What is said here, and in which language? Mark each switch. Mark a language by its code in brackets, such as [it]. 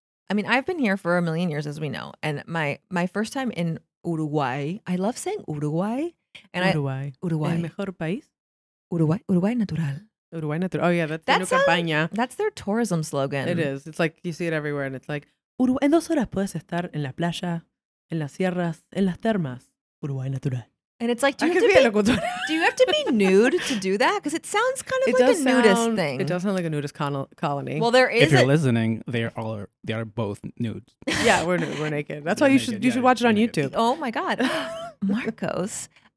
[en] I've been here for a million years, as we know. And my first time in Uruguay, I love saying Uruguay. And Uruguay. Uruguay. [es] El mejor país. Uruguay. Uruguay natural. [en] Uruguay natural. Oh, yeah. That's That's their tourism slogan. It is. It's like you see it everywhere. And it's like, Uruguay. [es] En 2 horas puedes estar en la playa, en las sierras, en las termas. Uruguay natural. [en] And it's like, do you have to be nude to do that? Because it sounds kind of like a nudist thing. It does sound like a nudist colony. Well, there is. If you're listening, they are both nudes. Yeah, we're nude. We're naked. That's why you should watch it on YouTube. Oh, my God. Marcos.